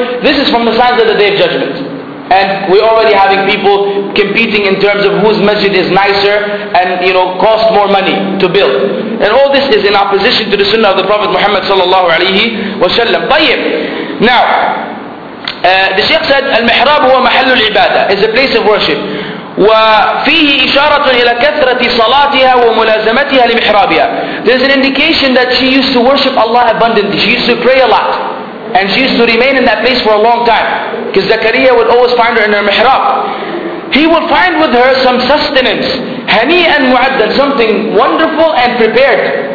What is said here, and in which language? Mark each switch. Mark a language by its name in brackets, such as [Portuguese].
[English] This is from the signs of the Day of Judgment. And we're already having people competing in terms of whose masjid is nicer and, you know, cost more money to build. And all this is in opposition to the sunnah of the Prophet Muhammad sallallahu alayhi wa sallam. Tayyib. Now, the Shaykh said, [Arabic] المحراب هو محل العبادة, [English] is a place of worship. [Arabic] وفيه إشارة إلى كثرة صلاتها وملازمتها لمحرابها. [English] There's an indication that she used to worship Allah abundantly. She used to pray a lot. And she used to remain in that place for a long time. Because Zakaria would always find her in her mihrab. He would find with her some sustenance. [Arabic] هنيئاً معدل, [English] something wonderful and prepared.